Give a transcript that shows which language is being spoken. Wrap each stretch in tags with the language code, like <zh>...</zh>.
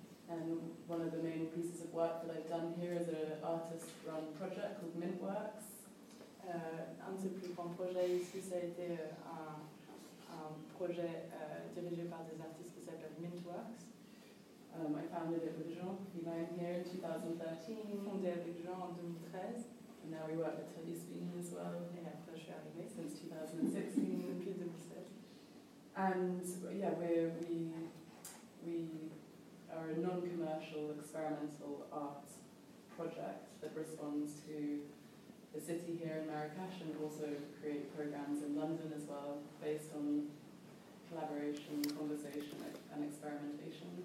<en>And one of the main pieces of work that I've done here is an artist-run project called Mintworks.</en> <fr>Un de ses plus grands projets ici, ça a été un projet dirigé par des artistes qui s'appellent Mintworks.</fr> <en>I founded it with Jean, he came here in 2013,</en> <fr>fondé avec Jean en 2013.</fr> <en>And now we work with Tony Spinney as well.</en> <fr>Et après, je suis arrivée</fr> <en>since 2016,</en> <fr>depuis 2016.</fr> <en>And yeah, we are a non-commercial experimental art project that responds to the city here in Marrakech and also create programs in London as well based on collaboration, conversation and experimentation.</en>